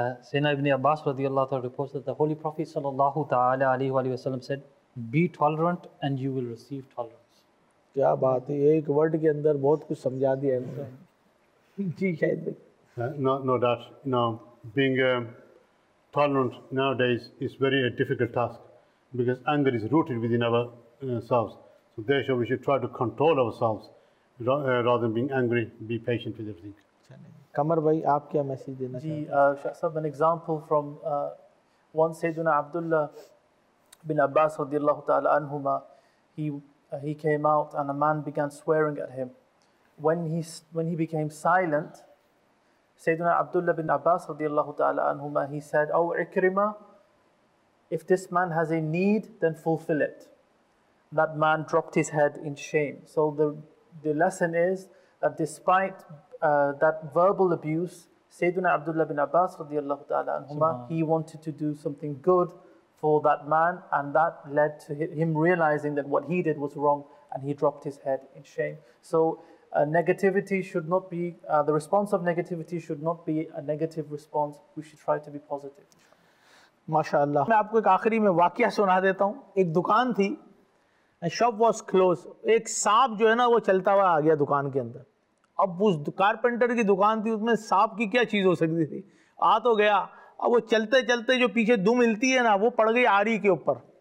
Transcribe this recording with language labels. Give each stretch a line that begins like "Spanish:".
English: سینا ibn Abbas رضی اللہ تعالیٰ reports that the Holy Prophet صلی اللہ تعالیٰ علیہ وآلہ وسلم said, be tolerant and you will receive tolerance.
Urdu: کیا بات ہے, ایک ورڈ کے اندر بہت کچھ سمجھا دیا ہے. جی شاید بھائی.
English: No doubt. Now, being tolerant nowadays is very a difficult task, because anger is rooted within ourselves. So therefore, we should try to control ourselves rather than being angry. Be patient with everything.
Urdu: Kamar bhai, آپ کیا message دینا چاہتے ہیں؟
English: شاہ صاحب, an example from one Sayyidina Abdullah bin Abbas رضی اللہ تعالی عنہما. He came out and a man began swearing at him. When he became silent, Sayyidina Abdullah bin Abbas radiallahu ta'ala anhuma, he said, O Ikrimah, if this man has a need, then fulfill it. That man dropped his head in shame. So the lesson is that despite that verbal abuse, Sayyidina Abdullah bin Abbas radiallahu ta'ala anhuma, he wanted to do something good for that man, and that led to him realizing that what he did was wrong, and he dropped his head in shame. So negativity should not be the response of negativity should not be a negative response. We should try to be positive. MashaAllah.
Urdu: میں آپ کو ایک آخری میں واقعہ سنا دیتا ہوں. ایک دکان تھی,
English: shop was close,
Urdu: ایک سانپ جو ہے نا وہ چلتا ہوا آ گیا دکان کے اندر. اب اس کارپینٹر کی دکان تھی, اس میں سانپ کی کیا چیز ہو سکتی تھی؟ آ تو گیا, اب وہ چلتے چلتے جو پیچھے دم ہلتی ہے نا وہ پڑ گئی آری کے اوپر.